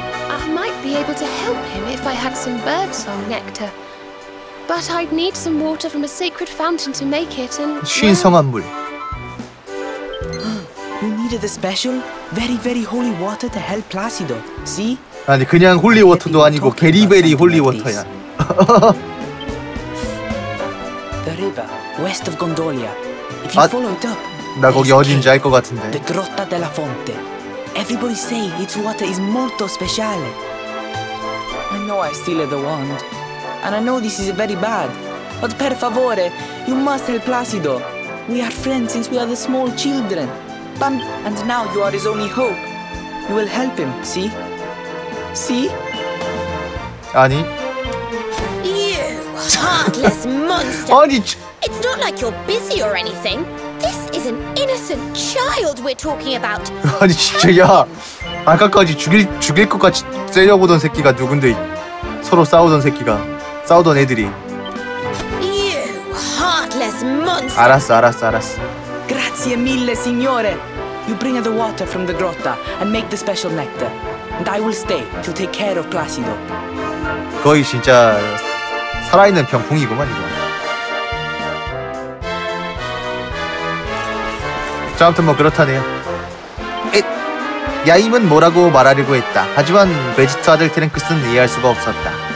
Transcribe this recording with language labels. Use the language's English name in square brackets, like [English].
[English] I might be able to help him if I had some birdsong nectar. But I'd need some water from a sacred fountain to make it and... [Korean] 신성한 물. [English] You needed a special, very, very holy water to help Placido. See? [Korean] 아니 그냥 홀리워터도 아니고 게리베리 홀리워터야. [English] The river west of Gondolia. If you follow it up. [Korean] 나 거기 어딘지 알 것 같은데. [English] The Grotta della Fonte. Everybody say its water is [Italian] molto speciale. [English] I know I steal the wand, and I know this is very bad. But [Italian] per favore, [English] you must help Placido. We are friends since we are the small children. And now you are his only hope. You will help him, see? See? [Korean] 아니. [English] You heartless monster! [Korean] 아니, [English] it's not like you're busy or anything. This is an innocent child we're talking about. [Korean] 아니 진짜 야, 아까까지 죽일 것 같이 때려보던 새끼가 누군데? 서로 싸우던 애들이. [English] You heartless monster! [Korean] 알았어. [Italian] Grazie mille, signore. [English] You bring the water from the grotta and make the special nectar. And I will stay to take care of Placido. [Korean] 거의 진짜 살아있는 병풍이구만 이거. 자, 아무튼 뭐 그렇다네요. 엣! 야임은 뭐라고 말하려고 했다. 하지만 베지트 아들 트랭크스는 이해할 수가 없었다.